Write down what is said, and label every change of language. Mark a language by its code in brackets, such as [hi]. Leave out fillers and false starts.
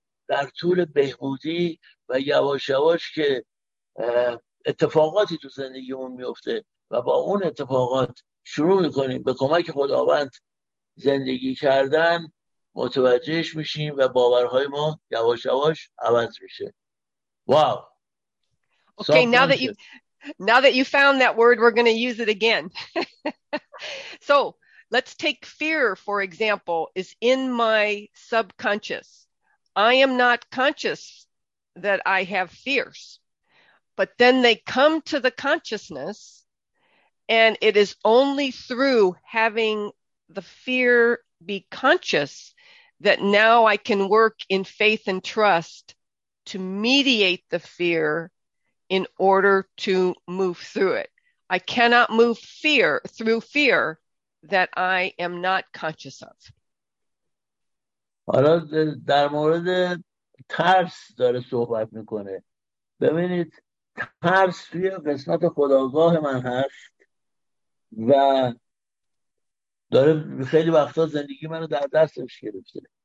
[fa] در طول بهبودی و یواش یواش که اتفاقاتی تو زندگیمون میفته و با اون اتفاقات شروع میکنیم به کمک خداوند زندگی کردن، متوجهش میشیم و باورهای ما یواش یواش عوض میشه. واو. [en] Okay, now that you found that word, we're going to use it again. So, let's take fear, for example, is in my subconscious. I am not conscious that I have fears. But then they come to the consciousness, and it is only through having the fear be conscious that now I can work in faith and trust to mediate the fear in order to move through it. I cannot move fear through fear that I am not conscious of. [fa] حالا در مورد ترس داره صحبت میکنه. ببینید، ترس توی قسمت خودآگاه من هست و داره خیلی وقتا زندگی منو در دستش گرفته.